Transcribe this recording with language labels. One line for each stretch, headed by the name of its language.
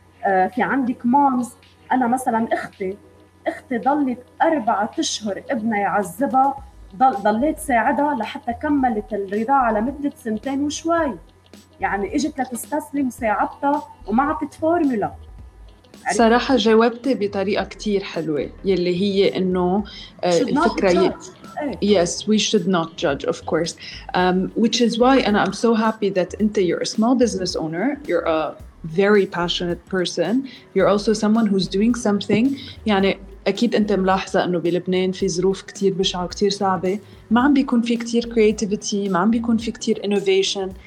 Arabic: في عندك moms، أنا مثلا أختي ضلت 4 أشهر ابنها يعذبها، ضليت ساعدها لحتى كملت الرضاعة لمدة 2 سنين وشوي. يعني إجت لتستسلم ساعدتها وما عطت فورمولا. صراحة جاوبتي بطريقة كتير حلوة، يلي هي إنه الفكرة
English: yes we should not judge of course which is why and I'm so happy that انتي you're a small business owner, you're a very passionate person, you're also someone who's doing something.
Arabic: يعني أكيد أنت ملاحظة أنه بلبنان في ظروف كتير بشعة وكتير صعبة، ما عم بيكون في كتير creativity، ما عم بيكون في كتير innovation.